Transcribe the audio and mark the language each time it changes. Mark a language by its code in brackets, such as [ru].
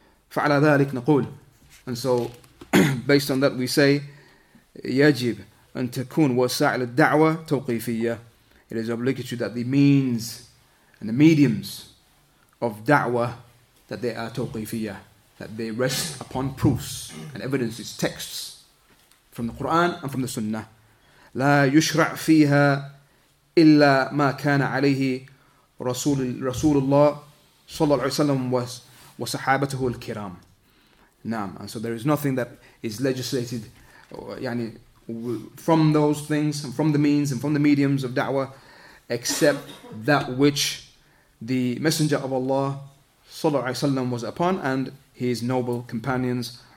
[ar] فَعَلَى ذَلِكْ نَقُولُ. [en] And so, based on that, we say, [ar] يَجِبْ أَن تَكُونَ وَسَعِلَ الدَّعْوَى تَوْقِيفِيَّةً. [en] It is obligatory that the means and the mediums of da'wah, that they are tawqifiyah, that they rest upon proofs and evidences, texts from the Quran and from the Sunnah. [ar] لا يشرع فيها إلا ما كان عليه رسول الله صلى الله عليه وسلم وصحابته الكرام. نعم. [en] And so there is nothing that is legislated يعني from those things and from the means and from the mediums of da'wah, except that which the Messenger of Allah sallallahu alaihi wasallam was upon and his noble companions.